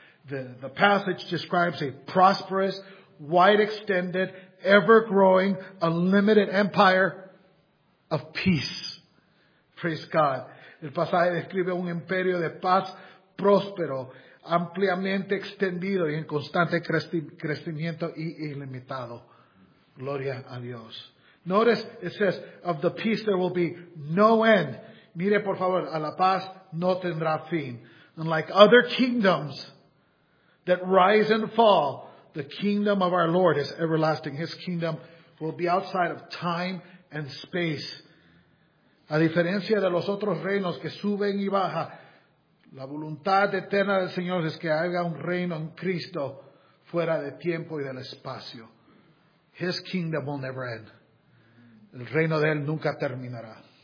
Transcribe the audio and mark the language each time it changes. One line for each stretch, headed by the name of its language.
English: The passage describes a prosperous, wide-extended, ever-growing, unlimited empire of peace. Praise God.
Spanish: El pasaje describe un imperio de paz próspero, ampliamente extendido y en constante crecimiento y ilimitado. Gloria a Dios.
English: Notice, it says, of the peace there will be no end.
Spanish: Mire, por favor, a la paz no tendrá fin.
English: Unlike other kingdoms that rise and fall, the kingdom of our Lord is everlasting. His kingdom will be outside of time and space.
Spanish: A diferencia de los otros reinos que suben y bajan, la voluntad eterna del Señor es que haya un reino en Cristo fuera de tiempo y del espacio.
English: His kingdom will never end.
Spanish: El reino de Él nunca terminará.